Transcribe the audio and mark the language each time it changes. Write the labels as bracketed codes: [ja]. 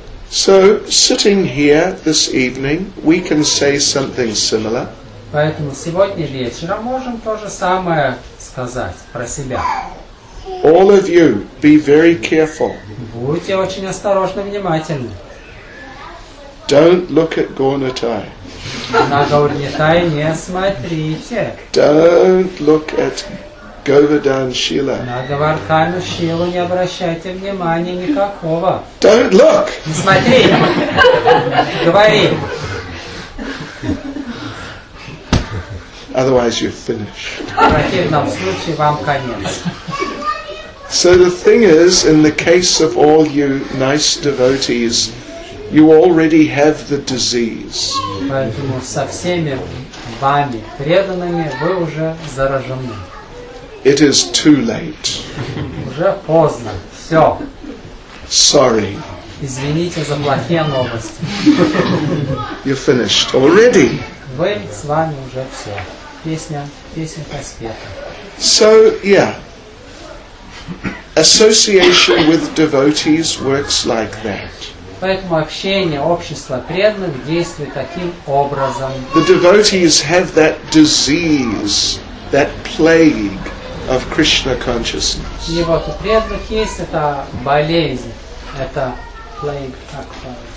[en] So, sitting here this evening, we can say something similar. [ru] Поэтому сегодня вечером можем то же самое сказать про себя. [en] All of you, be very careful. [ru] Будьте очень осторожны, внимательны. [en] Don't look at Gaurnitai. [ru] На Гаурнитай не смотрите. [en] Don't look at Govardhan Shila. [ru] На Говардхану Шилу не обращайте внимания никакого. [en] Don't look. [ru] Не смотри. Говори. [en] Otherwise you're finished. [ru] В противном случае вам конец. [en] So the thing is, in the case of all you nice devotees, you already have the disease. [ru] Поэтому со всеми вами преданными вы уже заражены. [en] It is too late. [ru] Уже поздно. Все. [en] Sorry. [ru] Извините за плохие новости. [en] You're finished already. [ru] Вы с вами уже все. Песенка спета. [en] So, yeah. Association with devotees works like that. [ru] Поэтому общение общества преданных действует таким образом. [en] The devotees have that disease, that plague of Krishna consciousness. [ru] И вот у преданных есть эта болезнь, это plague, как это?